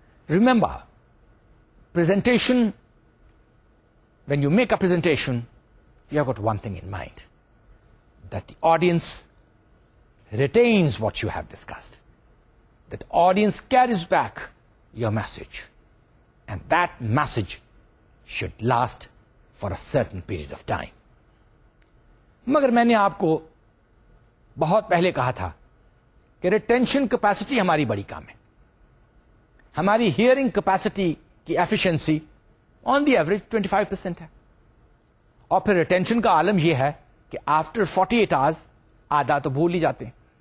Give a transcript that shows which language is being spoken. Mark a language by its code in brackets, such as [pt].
[en] Remember, presentation, when you make a presentation you have got one thing in mind, that the audience retains what you have discussed, that the audience carries back your message, and that message should last for a certain period of time. [ur] مگر میں نے آپ کو بہت پہلے کہا تھا کہ ریٹینشن کیپیسٹی ہماری بڑی کام ہے. ہماری ہیئرنگ کیپیسٹی کی ایفیشنسی [en] on the average [ur] 25% ہے, اور پھر ریٹینشن کا عالم یہ ہے کہ [en] after 48 hours [ur] آدھا تو بھول ہی جاتے ہیں.